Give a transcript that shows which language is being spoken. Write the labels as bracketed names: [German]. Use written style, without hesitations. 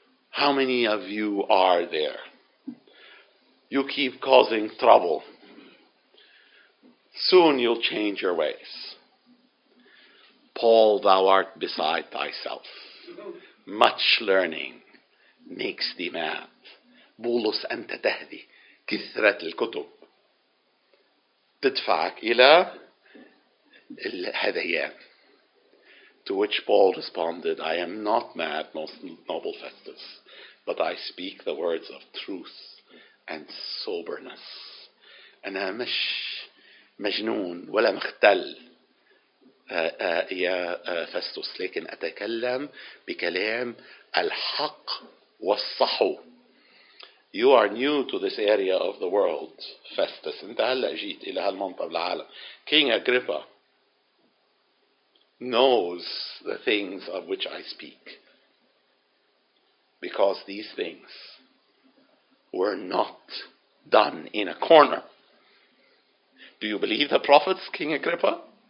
[English] How many of you are there? You keep causing trouble. Soon you'll change your ways. Paul, thou art beside thyself. Much learning makes thee mad. [Arabic] بولس أنت تهدي كثرة الكتب تدفعك إلى الهذيان. [English] To which Paul responded, I am not mad, most noble Festus, but I speak the words of truth and soberness. [Arabic] أنا مش مجنون ولا مختل يا فستوس، لكن أتكلم بكلام الحق والصحو. [English] You are new to this area of the world, Festus. [Arabic] أنت هلا جيت إلى هالمنطقة العالم. [English] King Agrippa knows the things of which I speak, because these things were not done in a corner. Do you believe the prophets, King Agrippa?